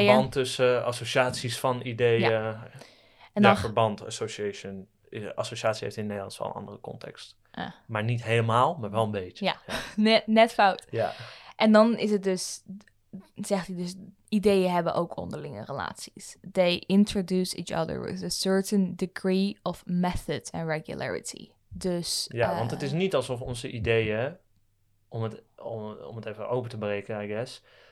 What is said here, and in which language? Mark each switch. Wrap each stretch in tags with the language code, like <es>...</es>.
<nl>Ja, verband tussen associaties van ideeën. Ja, en dan verband, association. Associatie heeft in Nederlands wel een andere context. Maar niet helemaal, maar wel een beetje. Ja, net fout. Ja. En dan is het dus, zegt hij dus, ideeën hebben ook onderlinge relaties.</nl> <en>They introduce each other with a certain degree of method and regularity.</en> <nl>Dus, ja, want het is niet alsof onze ideeën, om het even open te breken,</nl> <en>I guess.</en>